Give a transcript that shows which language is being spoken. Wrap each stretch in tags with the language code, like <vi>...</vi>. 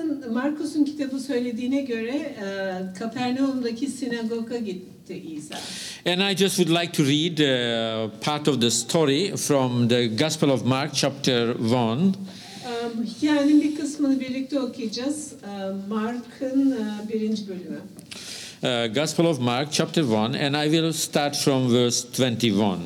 <tr>Markus'un kitabı söylediğine göre Kapernaum'daki sinagoga gitti İsa.</tr> <en>And I just would like to read part of the story from the Gospel of Mark chapter 1.</en> <tr>Hikayenin bir kısmını birlikte okuyacağız. Mark'ın birinci bölümü.</tr> <en>Gospel of Mark chapter 1 and I will start from verse 21.</en>